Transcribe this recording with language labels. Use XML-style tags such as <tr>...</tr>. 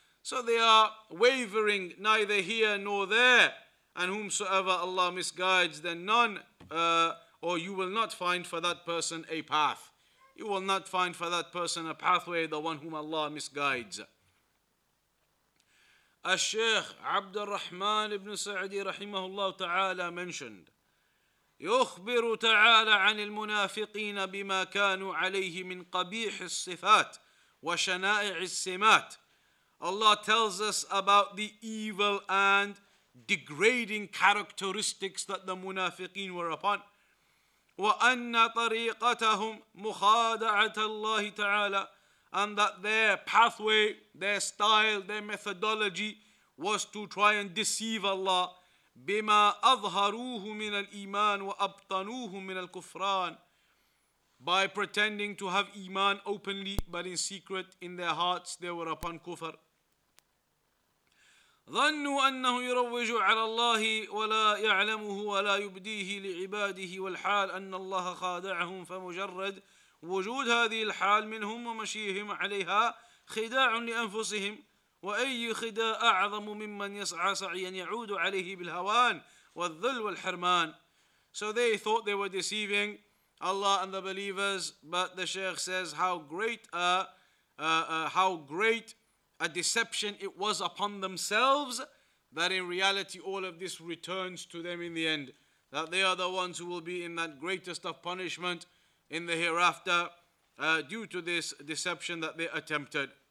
<en>So they are wavering neither here nor there. And whomsoever Allah misguides, then none, or you will not find for that person a path. You will not find for that person a pathway, the one whom Allah misguides.</en> <ar>الشيخ عبد الرحمن بن سعدي رحمه الله تعالى</ar> <en>mentioned,</en> <ar>يخبر تعالى عن المنافقين بما كانوا عليه من قبيح الصفات وشنائع السمات.</ar> <en>Allah tells us about the evil and degrading characteristics that the munafiqeen were upon.</en> <ar>وأن طريقتهم مخادعة الله تعالى.</ar> <en>And that their pathway, their style, their methodology was to try and deceive Allah.</en> <ar>بِمَا أَظْهَرُوهُ مِنَ الْإِيمَانِ وَأَبْطَنُوهُ مِنَ الْكُفْرَانِ.</ar> <en>By pretending to have iman openly, but in secret, in their hearts, they were upon kufr.</en> <ar>ظَنُّوا أَنَّهُ يُرَوِّجُ عَلَى اللَّهِ وَلَا يَعْلَمُهُ وَلَا يُبْدِيهِ لِعِبَادِهِ وَالْحَالِ أَنَّ اللَّهَ خَادَعَهُمْ فَمُجَرَّدْ وجود هذه الحال منهم ومشيهم عليها خداع لأنفسهم وأي خداع أعظم ممن يسعى سعيا يعود عليه بالهوان والذل والحرمان.</ar> <en>So they thought they were deceiving Allah and the believers, but the Sheikh says how great a deception it was upon themselves, that in reality all of this returns to them in the end, that they are the ones who will be in that greatest of punishment in the hereafter, due to this deception that they attempted.</en>